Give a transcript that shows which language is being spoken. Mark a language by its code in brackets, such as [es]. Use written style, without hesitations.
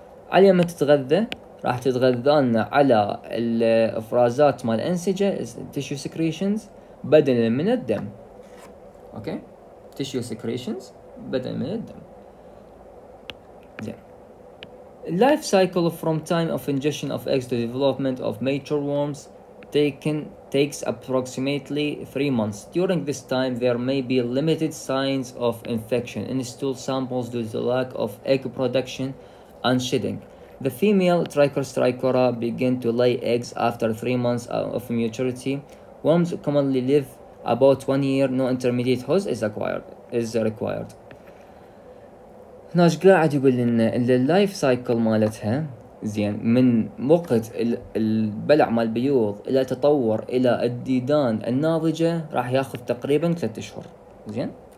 [ar] على ما تتغذى راح تتغذان على الافرازات مال الانسجه تيشو سكريشنز بدلا من الدم. اوكي تيشو سكريشنز بدلا من الدم زين. [en] اللايف cycle from time of ingestion of eggs to development of mature worms takes approximately 3 months. During this time, there may be limited signs of infection in stool samples due to lack of egg production and shedding. The female Trichostrichora begin to lay eggs after 3 months of maturity. Worms commonly live about 1 year. No intermediate host is required. [ar] ناش قاعد يقول لنا إن اللايف سايكل مالتها زين من وقت البلع مال البيوض الى تطور الى الديدان الناضجه راح ياخذ تقريبا 3 شهور زين.